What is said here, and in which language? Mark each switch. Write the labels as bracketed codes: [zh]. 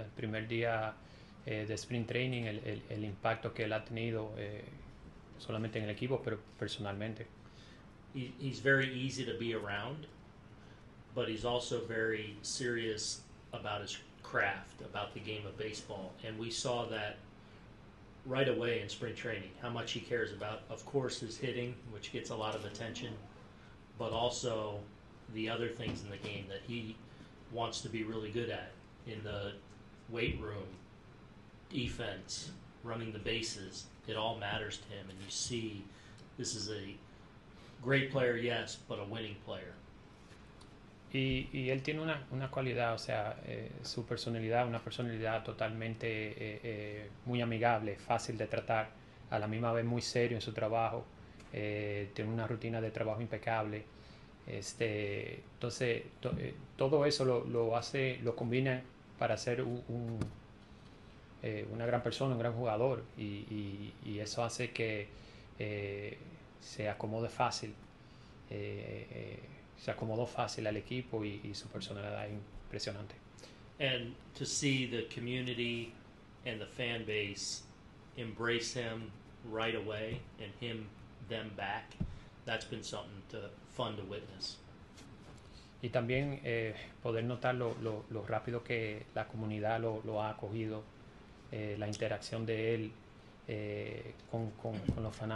[es] El primer día de spring training, el impacto que él ha tenido, solamente en el equipo, pero personalmente. [en] He's very easy to be around, but he's also very serious about his craft, about the game of baseball. And we saw that right away in spring training, how much he cares about, of course, his hitting, which gets a lot of attention, but also the other things in the game that he wants to be really good at, in the weight room, defense, running the bases. It all matters to him, and you see this is a great player, yes, but a winning player. [es] Y él tiene una cualidad, o sea, su personalidad, una personalidad totalmente muy amigable, fácil de tratar, a la misma vez muy serio en su trabajo, tiene una rutina de trabajo impecable. Entonces, todo eso lo hace, lo combina para ser una gran persona, un gran jugador, y eso hace que se acomode fácil, se acomodó fácil al equipo, y su personalidad es impresionante. [en] And to see the community and the fan base embrace him right away and him them back, that's been something to fun to witness. [es] Y también poder notar lo rápido que la comunidad lo ha acogido, la interacción de él con los fanáticos durante el juego, todo ha sido